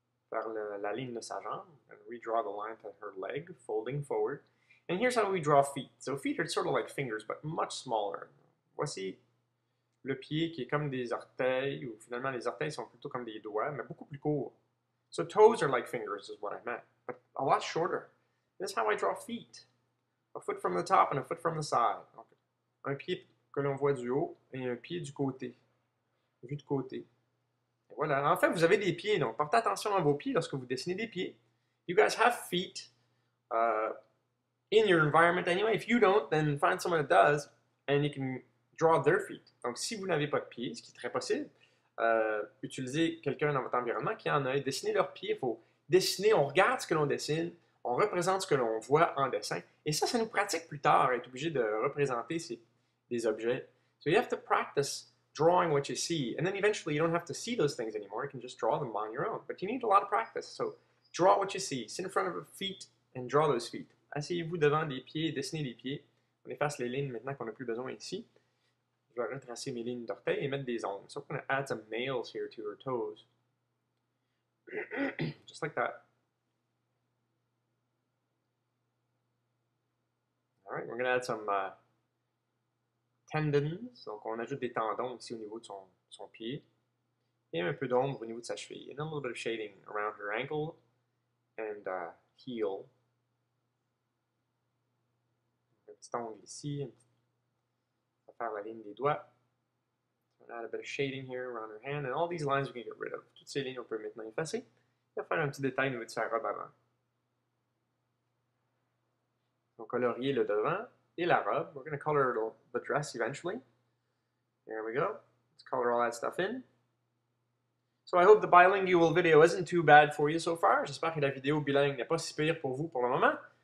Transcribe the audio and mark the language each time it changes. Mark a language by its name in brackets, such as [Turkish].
[French] Faire la ligne de sa jambe. [English] And redraw the line to her leg, folding forward. And here's how we draw feet. So feet are sort of like fingers, but much smaller. [French] Voici le pied qui est comme des orteils, ou finalement les orteils sont plutôt comme des doigts, mais beaucoup plus court. [English] So toes are like fingers, is what I meant, but a lot shorter. This is how I draw feet. A foot from the top and a foot from the side. [French] Donc, un pied que l'on voit du haut et un pied du côté. Vu de côté. Et voilà. En fait, vous avez des pieds, donc portez attention à vos pieds lorsque vous dessinez des pieds. [English] You guys have feet. In your environment anyway. If you don't, then find someone that does and you can draw their feet. [French] Donc, si vous n'avez pas de pieds, ce qui est très possible, utilisez quelqu'un dans votre environnement qui en a et dessinez leurs pieds. Il faut dessiner, on regarde ce que l'on dessine, on représente ce que l'on voit en dessin et ça nous pratique plus tard à être obligé de représenter des objets. [English] So, you have to practice drawing what you see and then eventually you don't have to see those things anymore. You can just draw them on your own. But you need a lot of practice. So, draw what you see. Sit in front of a feet and draw those feet. [French] Asseyez-vous devant des pieds, dessinez les pieds. On efface les lignes maintenant qu'on n'a plus besoin ici. Je vais retracer mes lignes d'orteils et mettre des ongles. [English] So we're going to add some nails here to her toes. Just like that. All right, we're going to add some tendons. [French] Donc on ajoute des tendons ici au niveau de son pied. Et un peu d'ombre au niveau de sa cheville. [English] And a little bit of shading around her ankle and heel. [French] Un petit ongle ici. On va faire la ligne des doigts. [English] So add a bit of shading here around her hand. And all these lines we can get rid of. [French] Toutes ces lignes, on peut maintenant effacer. Et on va faire un petit détail au niveau de sa robe avant. On va colorier le devant et la robe. [English] We're going to color the dress eventually. There we go. Let's color all that stuff in. So I hope the bilingual video isn't too bad for you so far. [French] J'espère que la vidéo bilingue n'est pas si pire pour vous pour le moment.